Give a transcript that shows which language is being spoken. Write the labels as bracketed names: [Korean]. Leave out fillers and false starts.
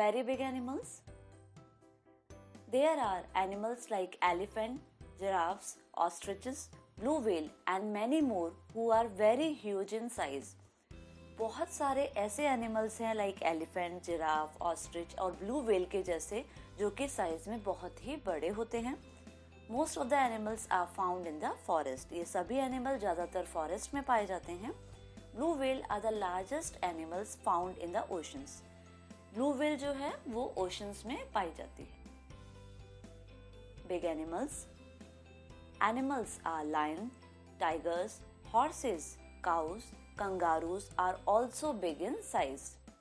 [English] Very big animals, there are animals like elephant, giraffes, ostriches, blue whale and many more who are very huge in size. [Hindi] बहुत सारे ऐसे animals हैं like elephant, giraffe, ostrich और blue whale के जैसे, जो कि size में बहुत ही बड़े होते हैं। [English] Most of the animals are found in the forest. [Hindi] ये सभी एनिमल ज़्यादातर फॉरेस्ट में पाए जाते हैं। [English] Blue whale are the largest animals found in the oceans. [Hindi] Blue whale जो है वो ओशंस में पाई जाती है। [English] Big animals, animals are lion, tigers, horses, cows, kangaroos are also big in size.